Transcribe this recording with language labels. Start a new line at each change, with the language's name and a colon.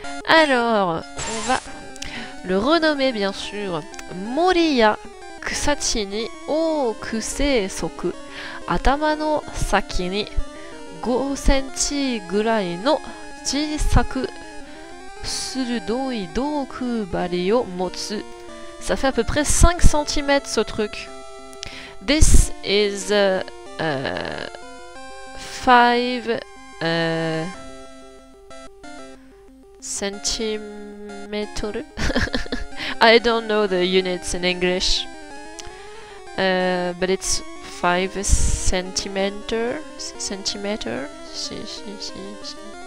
French: Alors, on va le renommer bien sûr Moriya Kusatsini Okuse Soku.
Japanese: 頭の先に5センチぐらいの小さく鋭い毒針を持つ。
French: Ça fait à peu près 5 cm ce truc.
English: This is 5 centimeters. I don't know the units in English. But it's 5 centimeters.